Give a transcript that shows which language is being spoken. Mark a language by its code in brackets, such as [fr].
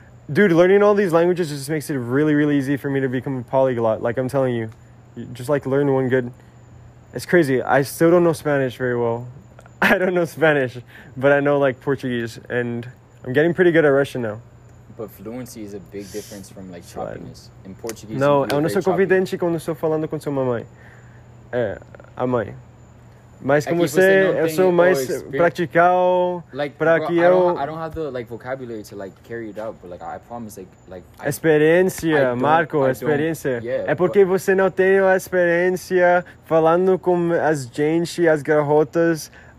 [en] Dude, learning all these languages just makes it really, really easy for me to become a polyglot. Like, I'm telling you. Just, like, learn one good... It's crazy. I still don't know Spanish very well. I don't know Spanish, but I know, like, Portuguese. And I'm getting pretty good at Russian now. But fluency is a big difference from, like, choppiness. In Portuguese... [pt] No, eu não sou confidente quando estou falando com sua mamãe. É, a mãe. Mas como você, eu sou mais practical, [en] like, [pt] para que [en] bro, [pt] eu... [en] I don't have the, like, vocabulary to, like, carry it out, but, like, I promise, like... [pt] Experiência, Marco, experiência. [en] Yeah, [pt] é porque but... você não tem a experiência falando com as gente, as garotas,